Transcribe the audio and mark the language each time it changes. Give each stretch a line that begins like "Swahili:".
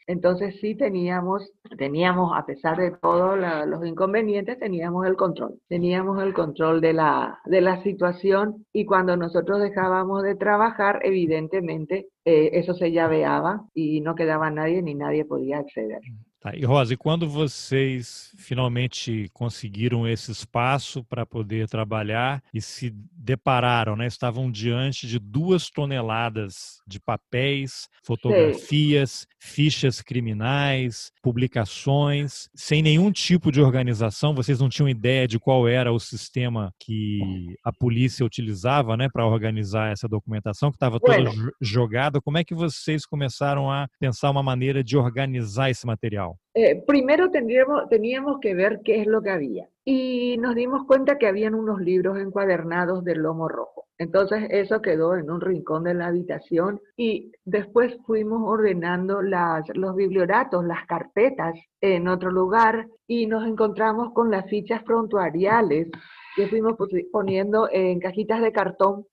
Spanish: Entonces sí teníamos, a pesar de todos los inconvenientes, teníamos el control de la situación y cuando nosotros dejábamos de trabajar, evidentemente eso se llaveaba y no quedaba nadie ni nadie podía acceder.
Portuguese: Tá. E Rosa, e quando vocês finalmente conseguiram esse espaço para poder trabalhar e se depararam, né? Estavam diante de 2 toneladas de papéis, fotografias, fichas criminais, publicações, sem nenhum tipo de organização. Vocês não tinham ideia de qual era o sistema que a polícia utilizava, né, para organizar essa documentação, que estava toda
Spanish: Bueno,
Portuguese: jogada. Como é que vocês começaram a pensar uma maneira de organizar esse material?
Spanish: primero teníamos que ver qué es lo que había y nos dimos cuenta que habían unos libros encuadernados de lomo rojo. Entonces eso quedó en un rincón de la habitación y después fuimos ordenando los biblioratos, las carpetas en otro lugar y nos encontramos con las fichas prontuariales que fuimos poniendo en cajitas de cartón.